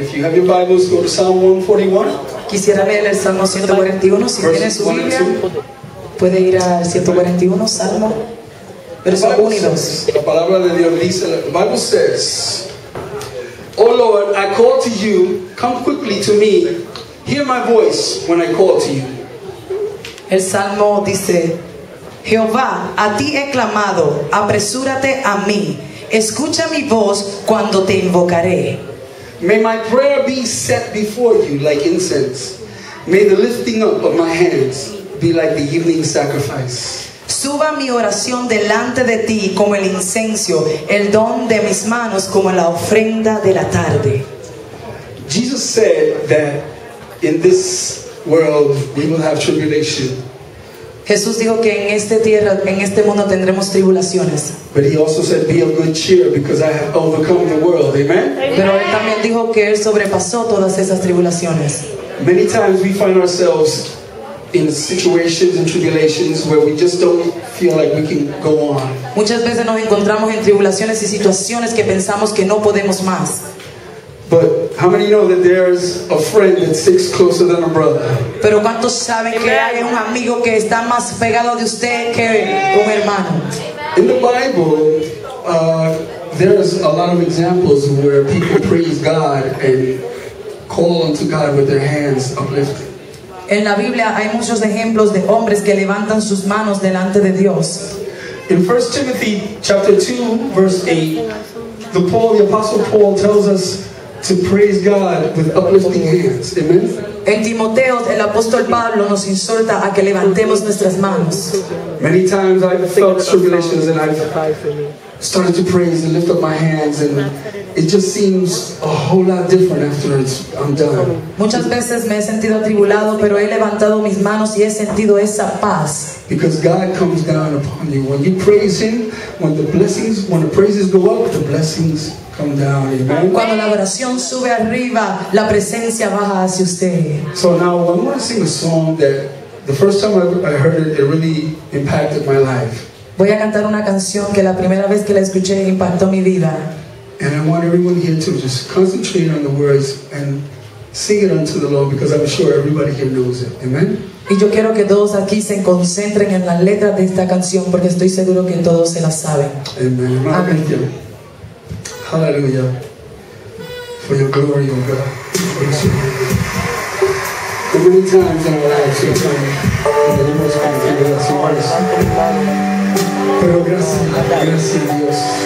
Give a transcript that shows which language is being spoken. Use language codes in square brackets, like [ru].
[en] If you have your Bibles, go to Psalm 141. [es] Quisiera leer el Salmo 141. Si tienes su Biblia, puede ir al 141, Salmo. La palabra de Dios dice, [en] the Bible says, Oh Lord, I call to you, come quickly to me, hear my voice when I call to you. [es] El Salmo dice, Jehová, a ti he clamado, apresúrate a mí, escucha mi voz cuando te invocaré. [en] May my prayer be set before you like incense, may the lifting up of my hands be like the evening sacrifice. [es] Suba mi oración delante de ti como el incenso, el don de mis manos como la ofrenda de la tarde. [en] Jesus said that in this world we will have tribulation. [es] Jesús dijo que en esta tierra, en este mundo tendremos tribulaciones. [en] But he also said, "Be of good cheer, because I have overcome the world." Amen. [es] Pero él también dijo que él sobrepasó todas esas tribulaciones. [en] Many times we find ourselves in situations and tribulations where we just don't feel like we can go on. [es] Muchas veces nos encontramos en tribulaciones y situaciones que pensamos que no podemos más. [en] But how many know that there's a friend that sticks closer than a brother? [es] Pero ¿cuántos saben que hay un amigo que está más pegado de usted que un hermano? [en] In the Bible, there's a lot of examples where people praise God and call unto God with their hands uplifted. [es] En la Biblia hay muchos ejemplos de hombres que levantan sus manos delante de Dios. [en] In 1 Timothy chapter 2 verse 8, the Apostle Paul tells us to praise God with uplifting hands. Amen. [es] En Timoteo el apóstol Pablo nos exhorta a que levantemos nuestras manos. [en] Many times I've felt tribulations and I've started to praise and lift up my hands, and it just seems a whole lot different after I'm done. [es] Muchas veces me he sentido atribulado, pero he levantado mis manos y he sentido esa paz. [en] Because God comes down upon you when you praise Him. When the blessings, when the praises go up, the blessings come down. Amen. [es] Cuando la oración sube arriba, la presencia baja hacia usted. [en] So now I want to sing a song that the first time I heard it, it really impacted my life. [es] Voy a cantar una canción que la primera vez que la escuché impactó mi vida. [en] And I want everyone here to just concentrate on the words and sing it unto the Lord, because I'm sure everybody here knows it. Amen. [es] Y yo quiero que todos aquí se concentren en la letra de esta canción, porque estoy seguro que todos se la saben. [en] Amen. Amen. Hallelujah. For your glory, oh God. For your glory. How many times in our lives you're trying to deliver us from the fear of the Lord? [es] Pero gracias, gracias a Dios.